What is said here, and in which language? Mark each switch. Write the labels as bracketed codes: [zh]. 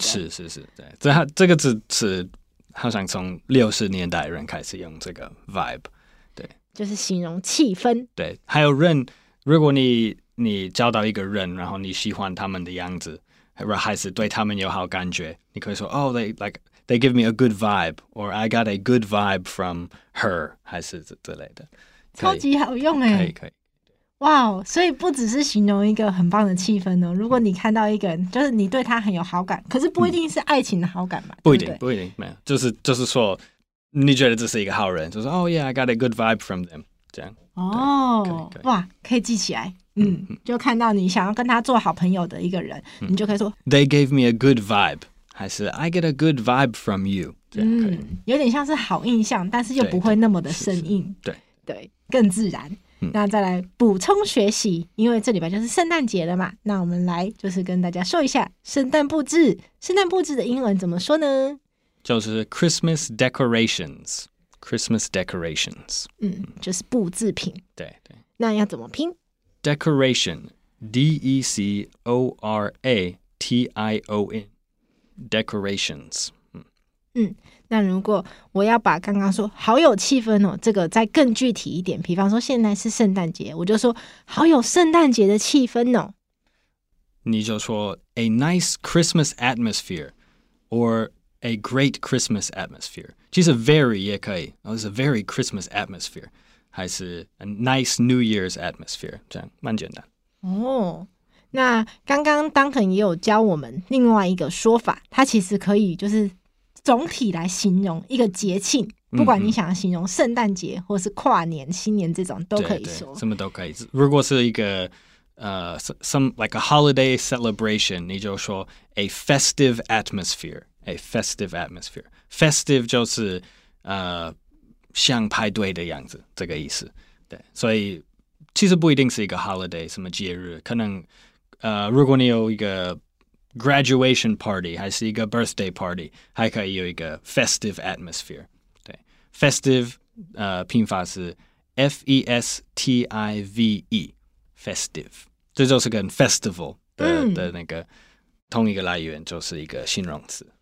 [zh] 是，对，这个字是好像从60年代人开始用这个 vibe， 对。就是形容气氛。对，还有人，如果你交到一个人，然后你喜欢他们的样子，还是对他们有好感觉，你可以说 ， [en] Oh, they like。 They give me a good vibe, or I got a good vibe from her, [zh] 还是之类的。超级好用耶。可以。哇、wow, 所以不只是形容一个很棒的气氛哦。如果你看到一个人，就是你对他很有好感，可是不一定是爱情的好感吧。不一定，没有。就是说你觉得这是一个好人，就是 [en] oh yeah, I got a good vibe from them, [zh] 这样。哦、oh, ，哇，可以记起来。就看到你想要跟他做好朋友的一个人，你就可以说 [en] They gave me a good vibe. [zh] 还是 [en] I get a good vibe from you， [zh] 有点像是好印象，但是又不会那么的生硬，对，更自然。那再来补充学习，因为这礼拜就是圣诞节了嘛，那我们来就是跟大家说一下圣诞布置。圣诞布置的英文怎么说呢？就是 [en] Christmas decorations， Christmas decorations， [zh] 就是布置品。对，那要怎么拼？ [en] Decoration， D-E-C-O-R-A-T-I-O-N。 Decorations. [zh] 那如果我要把刚刚说好有气氛哦，这个再更具体一点，比方说现在是圣诞节，我就说好有圣诞节的气氛哦。你就说 [en] a nice Christmas atmosphere, or a great Christmas atmosphere. [zh] 其实 [en] very [zh] 也可以 [en] ，it's a very Christmas atmosphere, [zh] 还是 [en] a nice New Year's atmosphere, [zh] 这样蛮简单。哦。那刚刚Duncan也有教我们另外一个说法，它其实可以就是总体来形容一个节庆，不管你想要形容圣诞节或是跨年、新年这种都可以说，什么都可以。如果是一个 [en] some like a holiday celebration， [zh] 你就说 [en] a festive atmosphere， a festive atmosphere， festive [zh] 就是像派对的样子，这个意思。对，所以其实不一定是一个 holiday 什么节日，可能。如果你有一个 [en] graduation party， [zh] 还是一个 [en] birthday party， [zh] 还可以有一个 [en] festive atmosphere。 [zh] 对 ，festive， 拼法是 F-E-S-T-I-V-E， festive， 这就是跟 festival 的那个同一个来源，就是一个形容词。